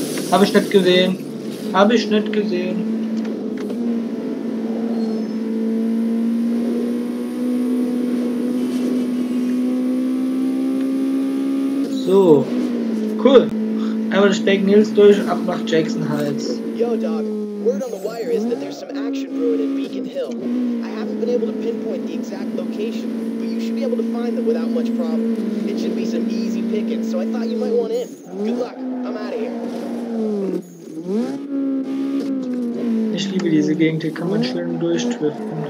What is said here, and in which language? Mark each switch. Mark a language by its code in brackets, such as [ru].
[de] Habe ich nicht gesehen. Habe ich nicht gesehen. So. Cool. Einmal das Beck Nils durch, ab nach Jackson Heights. [en] Yo, Doc. Word on the wire is that there's some action brewing in Beacon Hill. I haven't been able to pinpoint the exact location, but you should be able to find them without much problem. It should be some easy picking, so I thought you might want in. Good luck. I'm out of here. [de] Ich liebe diese Gegend, hier kann man schön durchdriften.